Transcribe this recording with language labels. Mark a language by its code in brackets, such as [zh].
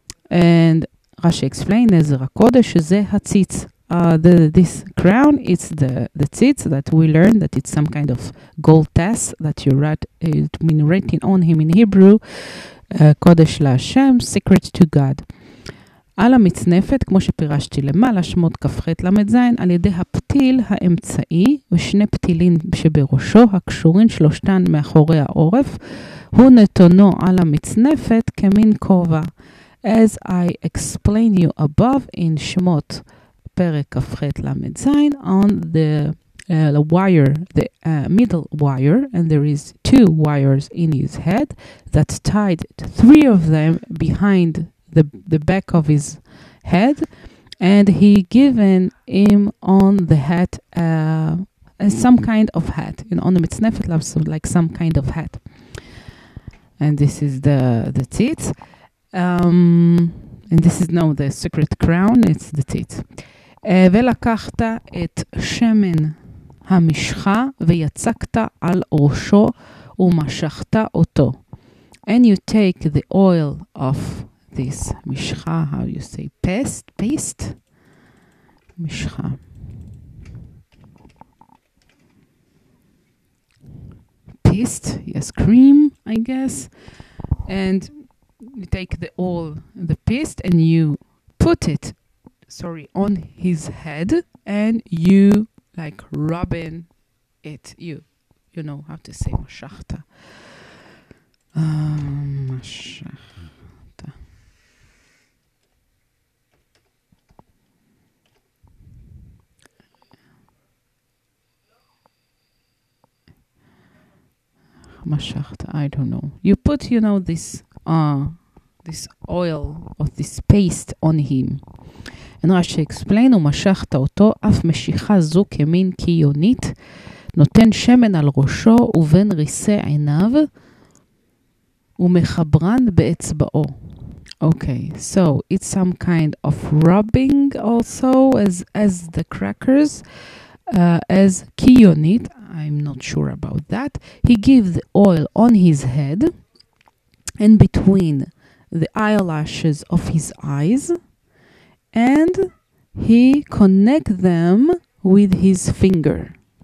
[en] And Rashi explained, [he] "Nezer HaKodesh ze hatzitz." [en] This crown, it's the tzitz that we learned that it's some kind of gold tass that you write, it mean writing on him in Hebrew, Kodesh LaHashem, secret to God. [he] Al המצנפת, כמו שפירשתי למעלה, שמות כפחת למדזיין, על ידי הפתיל האמצעי ושני פתילים שבראשו, הקשורים שלושתן מאחורי העורף, הוא נתונו על המצנפת כמין כובע. [en] As I explain you above in שמות, Perek Afret Lamed Zayin, on the wire, the middle wire, and there is two wires in his head that tied three of them behind the back of his head, and he given him on the hat some kind of hat, on the mitznefet, like some kind of hat. And this is the teat. And this is now the secret crown. It's the teat. [he] ולקחת את שמן המשחה ויצקת על ראשו ומשכת אותו. [en] And you take the oil of this משחה, how you say, paste? משחה. Paste, yes, cream, I guess. And you take the oil, the paste, and you put it, sorry, on his head, and you like rubbing it. You know how to say mashachta. Mashachta. Mashachta. I don't know. You put, you know, this oil or this paste on him. And Rashi explained, [he] ומשכת אותו, אף משיכה זו כמין קיונית, נותן שמן על ראשו ובין ריסי עיניו, ומחברן באצבעו. [en] Okay, so it's some kind of rubbing also, as the crackers, as קיונית, I'm not sure about that. He gives the oil on his head, and between the eyelashes of his eyes, and he connect them with his finger.